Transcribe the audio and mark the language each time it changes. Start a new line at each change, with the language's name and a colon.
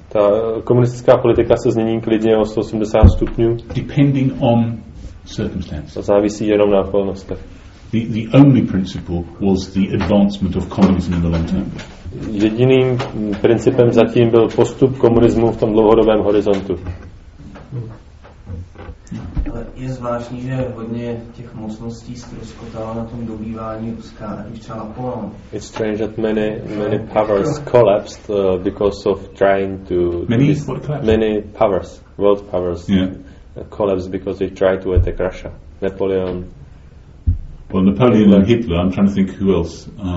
Czech: Ta komunistická politika se změní klidně o 180 stupňů.
English: Depending on circumstances.
Czech: To závisí jenom na okolnostech.
English: The only principle was the advancement of communism in the long term.
Czech: Jediným principem zatím byl postup komunismu v tom dlouhodobém horizontu. Ale je zvláštní, že hodně těch mocností ztroskotalo na tom dobývání Ruska, ať už třeba Napoleon.
English: It's strange that many powers collapsed because of trying to... Many powers, world powers, yeah. Collapsed because they tried to attack Russia. Napoleon. Well, Napoleon and Hitler, I'm trying to think who else.